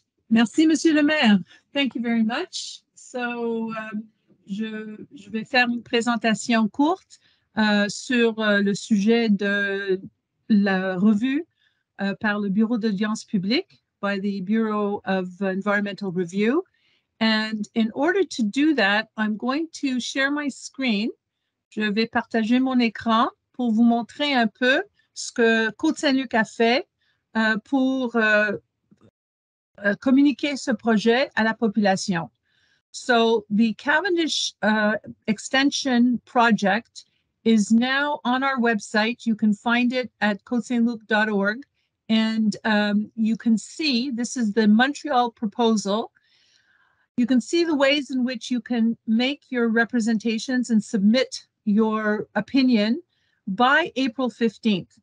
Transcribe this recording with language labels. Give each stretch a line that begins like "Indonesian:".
French: Merci, Monsieur le Maire.
English: Thank you very much.
French: So, je vais faire une présentation courte sur le sujet de la revue par le Bureau d'Audience Publique,
English: by the Bureau of Environmental Review. And in order to do that, I'm going to share my screen.
French: Je vais partager mon écran pour vous montrer un peu ce que Côte-Saint-Luc a fait pour communiquer ce projet à la population.
English: So the Cavendish extension project is now on our website. You can find it at côte-saint-luc.org. And you can see, this is the Montreal proposal. You can see the ways in which you can make your representations and submit your opinion by April 15th.